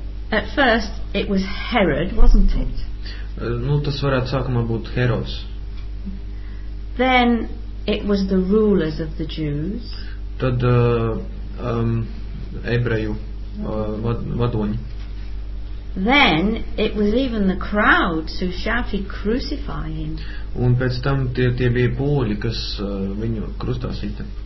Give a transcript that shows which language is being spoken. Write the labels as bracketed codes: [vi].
[en] At first it was Herod, wasn't it? [lv] Nu, tas varētu sākumā būt Herods. [en] Then it was the rulers of the Jews. [lv] Tad ebreju vadoņi. [en] Then it was even the crowds who shouted crucify him. [lv] Un pēc tam tie bija poļi, kas viņu krustā sita.